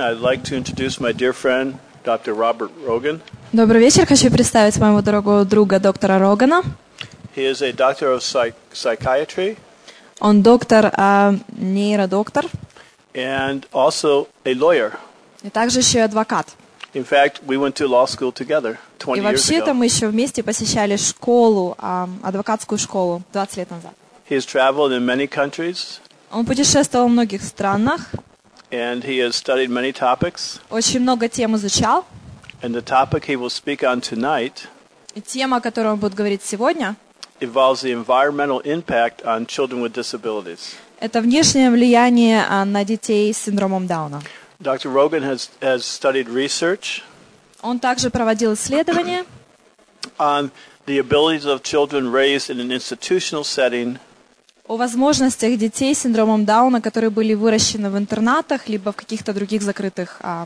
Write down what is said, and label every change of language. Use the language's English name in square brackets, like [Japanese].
[English] I'd like to introduce my dear friend, Dr. Robert Rogan. [Russian] Добрый вечер. Хочу представить моего дорогого друга доктора Рогана. [English] He is a doctor of psychiatry. [Russian] Он доктор, нейродоктор. [English] And also a lawyer. [Russian] И также еще адвокат. [English] In fact, we went to law school together 20 years ago. [Russian] И вообще-то мы еще вместе посещали школу, адвокатскую школу 20 лет назад. [English] He has traveled in many countries. [Russian] Он путешествовал во многих странах. [English] And he has studied many topics. [Russian] Очень много тем изучал. [English] And the topic he will speak on tonight. [Russian] И тема, о которой он будет говорить сегодня. [English] Involves the environmental impact on children with disabilities. [Russian] Это внешнее влияние на детей с синдромом Дауна. [English] Dr. Rogan has studied research. [Russian] Он также проводил исследования. [English] On the abilities of children raised in an institutional setting. [Russian] О возможностях детей с синдромом Дауна, которые были выращены в интернатах либо в каких-то других закрытых